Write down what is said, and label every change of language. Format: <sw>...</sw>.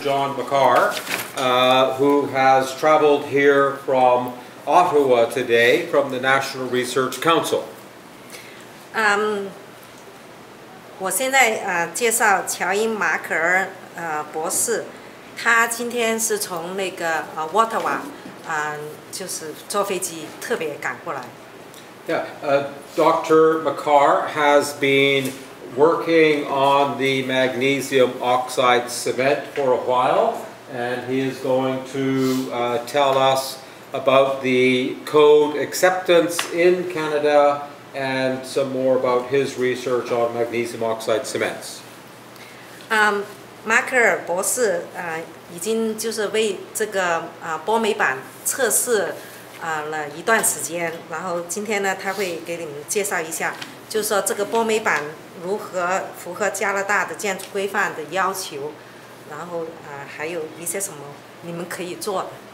<en>Jon Makar, who has traveled here from Ottawa today from the National Research Council.</en> <zh>我现在介绍乔伊马可尔博士，他今天是从那个Ottawa，就是坐飞机特别赶过来。</zh> <en>Yeah, Dr. Makar has been working on the magnesium oxide cement for a while, and he is going to tell us about the code acceptance in Canada and some more about his research on magnesium oxide cements.</en> <zh>Makar 博士已经就是为这个玻美板测试了一段时间，然后今天呢，他会给你们介绍一下，就是说这个玻美板如何符合加拿大的建筑规范的要求，然后还有一些什么你们可以做的。</zh>